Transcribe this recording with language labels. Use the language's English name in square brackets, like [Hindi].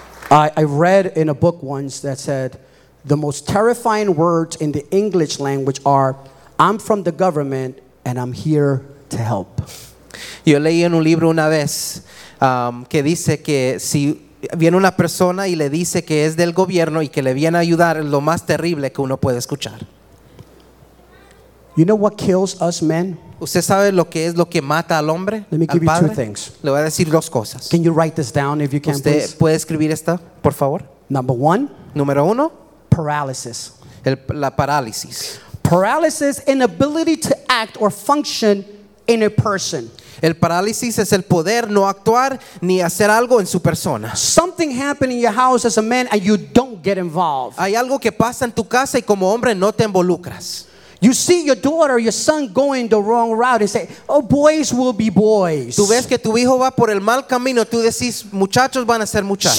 [English] I read in a book once that said the most terrifying words in the English language are I'm from the government and I'm here to help. [Spanish] Yo leí en un libro una vez que dice que si viene una persona y le dice que es del gobierno y que le viene a ayudar, es lo más terrible que uno puede escuchar. [English] You know what kills us men? [Spanish] ¿Usted sabe lo que es lo que mata al hombre? [English] Let me give you two things. [Spanish] Le voy a decir dos cosas. [English] Can you write this down if you can, [Spanish] ¿usted [English] please? [Spanish] Puede escribir esta, por favor? [English] Number one. [Spanish] Número uno. [English] Paralysis. [Spanish] La parálisis. [English] Paralysis, inability to act or function in a person. [Spanish] El parálisis es el poder no actuar ni hacer algo en su persona. [English] Something happened in your house as a man and you don't get involved. [Spanish] Hay algo que pasa en tu casa y como hombre no te involucras. [English] You see your daughter or your son going the wrong route and say, oh, boys will be boys. [Spanish] Tú ves que tu hijo va por el mal camino, tú decís, muchachos van a ser muchachos.